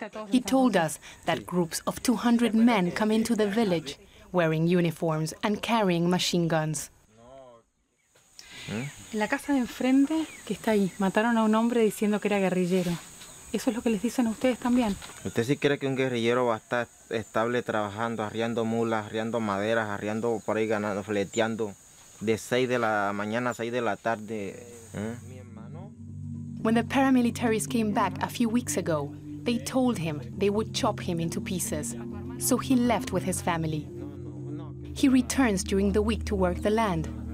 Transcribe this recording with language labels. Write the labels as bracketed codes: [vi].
[en] He told us that groups of 200 men come into the village wearing uniforms and carrying machine guns. [es] En la casa de enfrente, que está ahí, mataron a un hombre diciendo que era guerrillero. Eso es lo que les dicen a ustedes también. ¿Usted sí cree que un guerrillero va a estar estable trabajando, arriando mulas, arriando maderas, arriando por ahí ganando, fleteando de 6 de la mañana a 6 de la tarde? [en] When the paramilitaries came back a few weeks ago, they told him they would chop him into pieces. So he left with his family. He returns during the week to work the land.